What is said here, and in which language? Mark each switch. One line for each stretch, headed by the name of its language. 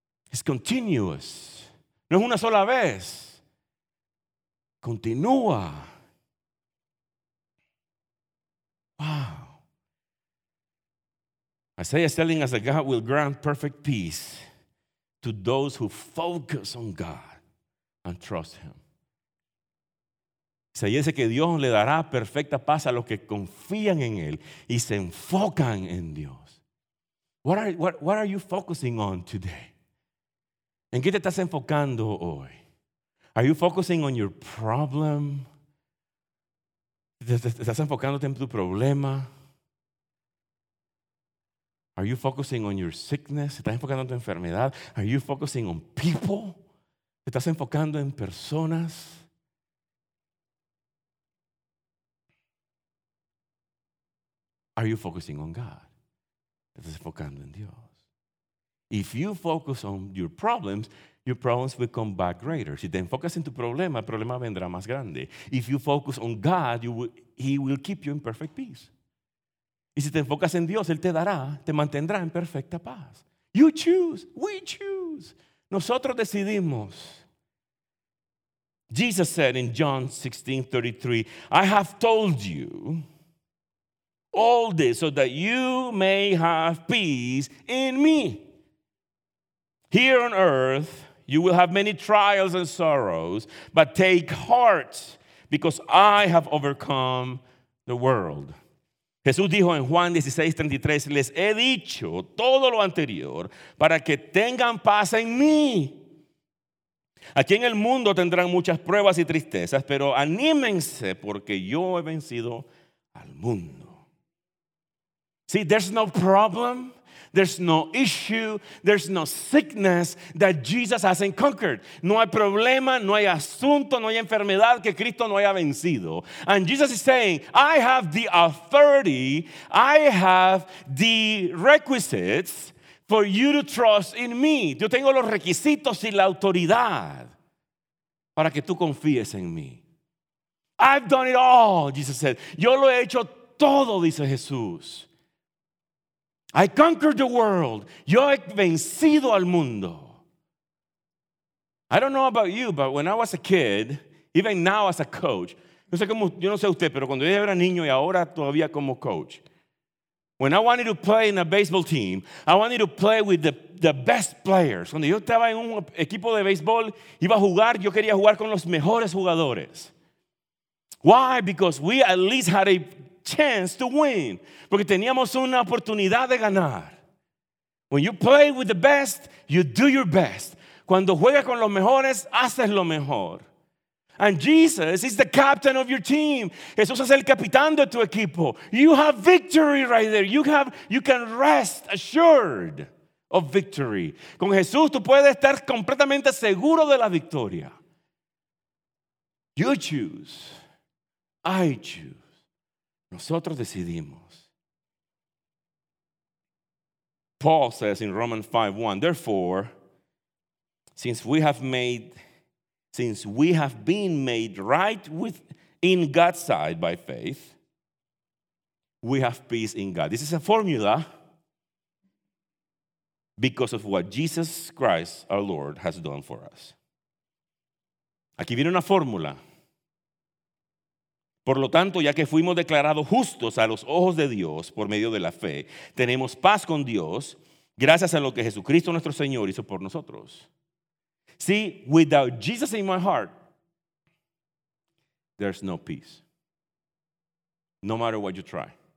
English: It's continuous.
Spanish: No es una sola vez. Continúa.
English: Wow. Isaiah is telling us that God will grant perfect peace to those who focus on God and trust Him.
Spanish: Se dice que Dios le dará perfecta paz a los que confían en Él y se enfocan en Dios.
English: What are you focusing on today?
Spanish: ¿En qué te estás enfocando hoy?
English: Are you focusing on your problem?
Spanish: ¿Estás enfocándote en tu problema?
English: Are you focusing on your sickness?
Spanish: ¿Estás enfocando en tu enfermedad?
English: Are you focusing on people?
Spanish: ¿Estás enfocando en personas?
English: Are you focusing on God?
Spanish: ¿Estás enfocando en Dios?
English: If you focus on your problems will come back greater.
Spanish: Si te enfocas en tu problema, el problema vendrá más grande.
English: If you focus on God, He will keep you in perfect peace.
Spanish: Y si te enfocas en Dios, Él te dará, te mantendrá en perfecta paz.
English: You choose, we choose.
Spanish: Nosotros decidimos.
English: Jesus said in John 16:33, I have told you all this so that you may have peace in me. Here on earth, you will have many trials and sorrows, but take heart because I have overcome the world.
Spanish: Jesús dijo en Juan 16:33, les he dicho todo lo anterior para que tengan paz en mí. Aquí en el mundo tendrán muchas pruebas y tristezas, pero anímense porque yo he vencido al mundo.
English: See, there's no problem, there's no issue, there's no sickness that Jesus hasn't conquered.
Spanish: No hay problema, no hay asunto, no hay enfermedad que Cristo no haya vencido.
English: And Jesus is saying, I have the authority, I have the requisites for you to trust in me.
Spanish: Yo tengo los requisitos y la autoridad para que tú confíes en mí.
English: I've done it all, Jesus said.
Spanish: Yo lo he hecho todo, dice Jesús.
English: I conquered the world.
Spanish: Yo he vencido al mundo.
English: I don't know about you, but when I was a kid, even now as a coach,
Spanish: yo no sé usted, pero cuando yo era niño y ahora todavía como coach,
English: when I wanted to play in a baseball team, I wanted to play with the best players.
Spanish: Cuando yo estaba en un equipo de béisbol, iba a jugar, yo quería jugar con los mejores jugadores.
English: Why? Because we at least had a chance to win,
Spanish: porque teníamos una oportunidad de ganar.
English: When you play with the best, you do your best.
Spanish: Cuando juegas con los mejores, haces lo mejor.
English: And Jesus is the captain of your team.
Spanish: Jesús es el capitán de tu equipo.
English: You have victory right there. You can rest assured of victory.
Spanish: Con Jesús tú puedes estar completamente seguro de la victoria.
English: You choose. I choose.
Spanish: Nosotros decidimos.
English: Paul says in Romans 5:1, therefore, since we have been made right with in God's sight by faith, we have peace in God. This is a formula because of what Jesus Christ, our Lord, has done for us.
Spanish: Aquí viene una fórmula. Por lo tanto, ya que fuimos declarados justos a los ojos de Dios por medio de la fe, tenemos paz con Dios gracias a lo que Jesucristo nuestro Señor hizo por nosotros.
English: See, without Jesus in my heart, there's no peace. No matter what you try.